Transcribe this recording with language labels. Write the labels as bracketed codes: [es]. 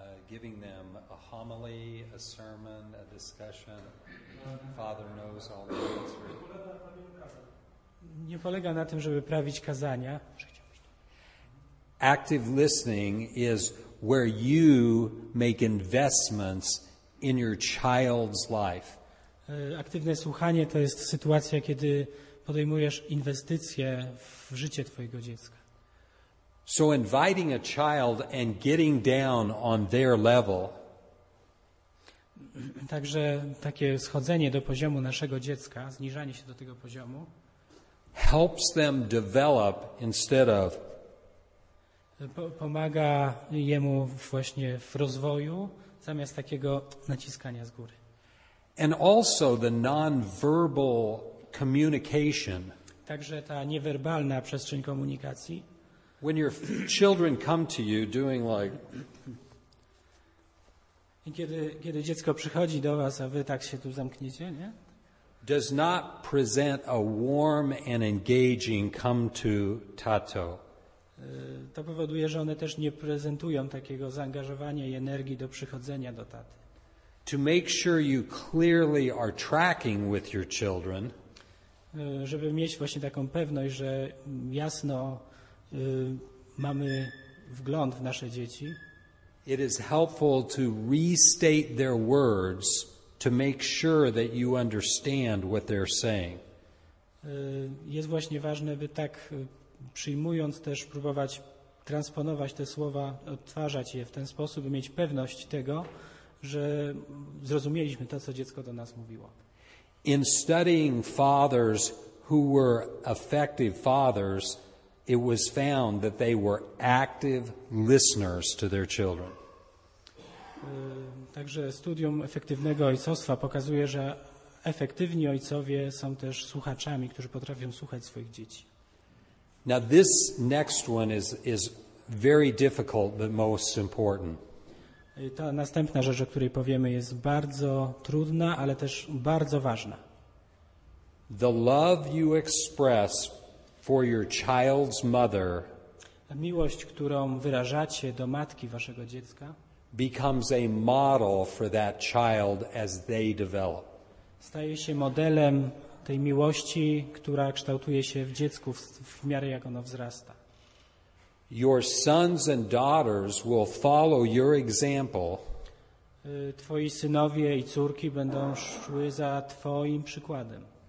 [en] giving them a homily, a sermon, a discussion. Father knows all the answers. [pl] Nie polega na tym, żeby prawić kazania. [en] Active listening is where you make investments in your child's life. [pl] Aktywne słuchanie to jest sytuacja, kiedy podejmujesz inwestycje w życie twojego dziecka. [en] So inviting a child and getting down on their level. [pl] Także takie schodzenie do poziomu naszego dziecka, zniżanie się do tego poziomu, [en] helps them develop instead of. [pl] Pomaga jemu właśnie w rozwoju zamiast takiego naciskania z góry. [en] And also the non-verbal communication. [pl] Także ta niewerbalna przestrzeń komunikacji. [en] When your children come to you doing like. [pl] Kiedy dziecko przychodzi do was, a wy tak się tu zamkniecie, nie? [en] Does not present a warm and engaging come to tato. [pl] To powoduje, że one też nie prezentują takiego zaangażowania i energii do przychodzenia do taty. [en] To make sure you clearly are tracking with your children. [pl] Żeby mieć właśnie taką pewność, że jasno mamy wgląd w nasze dzieci. [en] It is helpful to restate their words to make sure that you understand what they're saying. [pl] Jest właśnie ważne, by tak przyjmując też próbować transponować te słowa, odtwarzać je w ten sposób, by mieć pewność tego, że zrozumieliśmy to, co dziecko do nas mówiło. [en] In studying fathers who were effective fathers, it was found that they were active listeners to their children. [pl] Także studium efektywnego ojcostwa pokazuje, że efektywni ojcowie są też słuchaczami, którzy potrafią słuchać swoich dzieci. [en] Now this next one is very difficult, but most important. [pl] Ta następna rzecz, o której powiemy, jest bardzo trudna, ale też bardzo ważna. [en] The love you express for your child's mother. [pl] Miłość, którą wyrażacie do matki waszego dziecka, [en] becomes a model for that child as they develop. [pl] Staje się modelem tej miłości, która kształtuje się w dziecku w miarę jak ono wzrasta. [en] Your sons and daughters will follow your example. [pl] Twoi synowie i córki będą szły za twoim przykładem.